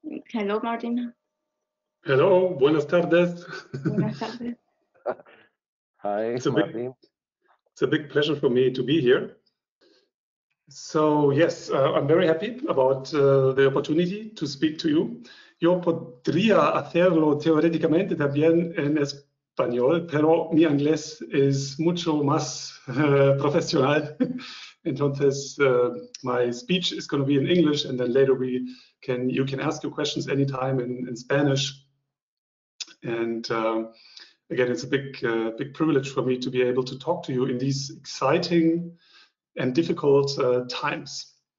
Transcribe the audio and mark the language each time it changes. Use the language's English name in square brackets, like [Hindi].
[English] Hello, Martin. Hello, [Spanish] buenas Buenas tardes. tardes. [English] Hi, Martin. It's a big pleasure for me to be here. So yes, I'm very happy about the opportunity to speak to you. [Spanish] Yo podría hacerlo teóricamente también en español, pero mi inglés es mucho más profesional. [English] Entonces, my speech is going to be in English, and then later you can ask your questions anytime in Spanish. And again, it's a big privilege for me to be able to talk to you in these exciting and difficult times.